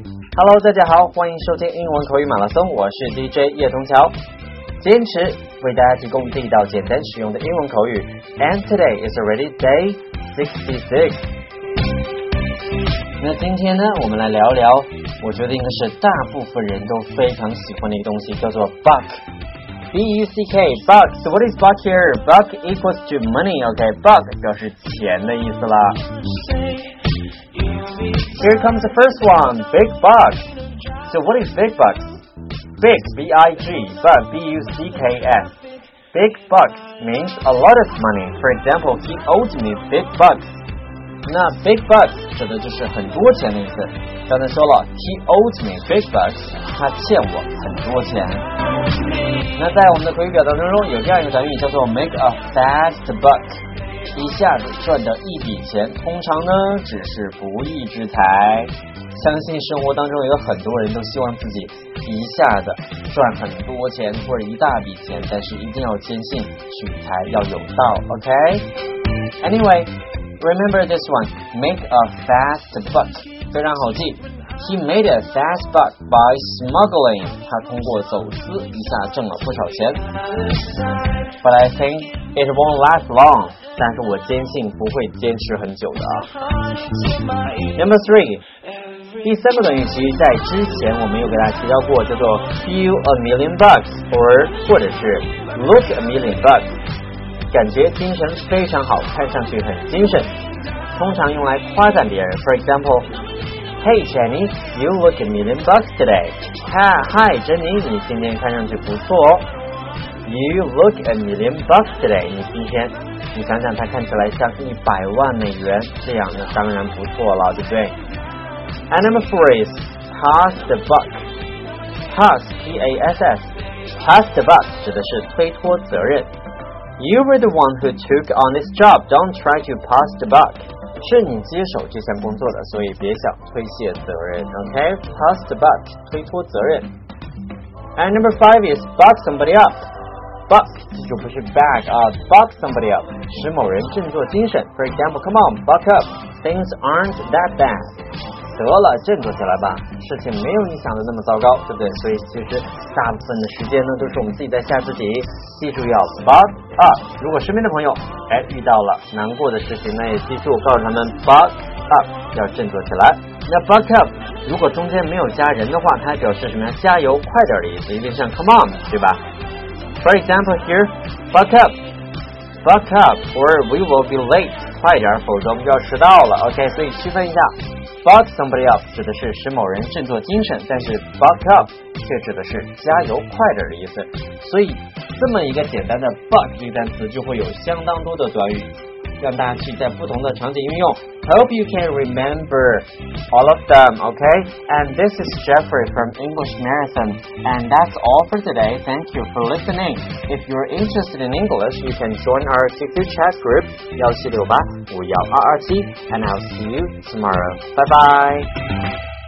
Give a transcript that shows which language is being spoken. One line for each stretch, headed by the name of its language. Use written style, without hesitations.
English: Hello,
Chinese: 大家好，欢迎收听英文口语马拉松，我是 DJ 叶同桥。坚持为大家提供地道、简单、实用的英文口语。
English: And today is already day 66.
Chinese: 那今天呢，我们来聊聊，我觉得应该是大部分人都非常喜欢的一个东西，叫做 Buck.
English: B-U-C-K, buck. So what is buck here? Buck equals to money, okay?
Chinese: Buck 表示钱的意思啦。
English: Here comes the first one, big bucks. So what is big bucks? Big, B-I-G, buck, B-U-C-K-S. Big bucks means a lot of money. For example, he owes me big bucks.
Chinese: 那 big bucks 指的就是很多钱的意思。刚才说了
English: he owes me big bucks,
Chinese: 他欠我很多钱。那在我们的口语表达当中有这样一个短语叫做
English: make a fast buck,
Chinese: 一下子赚的一笔钱，通常呢只是不义之财。相信生活当中有很多人都希望自己一下子赚很多钱或者一大笔钱，但是一定要坚信取财要有道， OK?
English: Anyway, remember this one, make a fast buck,
Chinese: 非常好记。
English: He made a fast buck by smuggling.
Chinese: 他通过走私一下挣了不少钱。
English: But I think it won't last long.
Chinese: 但是我坚信不会坚持很久的啊。
English: Number three.
Chinese: 第三个短语其实在之前我们有给大家提到过，叫做
English: feel a million bucks,
Chinese: or 或者是
English: look a million bucks.
Chinese: 感觉精神非常好，看上去很精神。通常用来夸赞别人。
English: For example,Hey Jenny, you look a million bucks today. Hi Jenny,
Chinese: 你今天看上去不错哦。
English: You look a million bucks today.
Chinese: 你今天，你想想它看起来像一百万美元，这样那当然不错了，对不对？
English: And number three is pass the buck. Pass, P-A-S-S.
Chinese: Pass the buck 指的是推脱责任。
English: You were the one who took on this job. Don't try to pass the buck.
Chinese: 是你接手这项工作的，所以别想推卸责任， OK?
English: Pass the buck,
Chinese: 推脱责任。
English: And number five is buck somebody up.
Chinese: Buck 就不是 back 啊，
English: buck somebody up
Chinese: 使某人振作精神。
English: For example, come on, buck up, things aren't that bad.
Chinese: 得了，振作起来吧，事情没有你想的那么糟糕，对不对？所以其实大部分的时间呢都是我们自己在吓自己，记住要 buck up。如果身边的朋友哎，遇到了难过的事情，那也记住告诉他们 buck up, 要振作起来。那 buck up 如果中间没有加人的话，它表示什么呀？加油快点的意思，一定像
English: come on,
Chinese: 对吧？
English: For example here, buck up, buck up, or we will be late,
Chinese: 快点，否则我们就要迟到了，
English: OK?
Chinese: 所以区分一下，
English: buck somebody up
Chinese: 指的是使某人振作精神，但是 buck up 却指的是加油快点的意思。所以这么一个简单的 buck 这个单词就会有相当多的短语让大家去在不同的场景运用。
English: Hope you can remember all of them, OK? And this is Jeffrey from English Marathon. And that's all for today. Thank you for listening. If you're interested in English, you can join our QQ chat group 1768-51227. And I'll see you tomorrow. Bye bye.